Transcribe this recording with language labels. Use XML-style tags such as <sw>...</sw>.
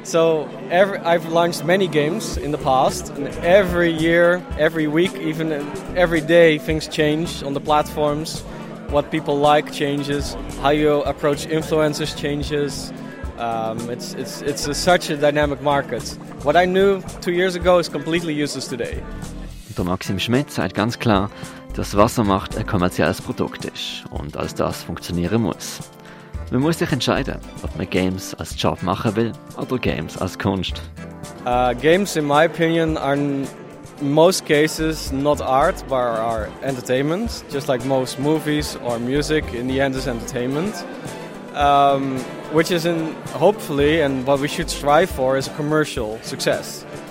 <en>So I've launched many games in the past, and every year, every week, even every day, things change on the platforms. What people like changes. How you approach influencers changes. It's such a dynamic market. What I knew 2 years ago is completely useless today.</en> <de>Der Maxim Schmidt sagt ganz klar, dass was er macht ein kommerzielles Produkt ist und als das funktionieren muss. Man muss sich entscheiden, ob man Games als Job machen will oder Games als Kunst.</de> <en>Games, in my opinion, are in most cases not art, but are entertainment. Just like most movies or music, in the end is entertainment. Which is in, hopefully, and what we should strive for, is a commercial success.</en>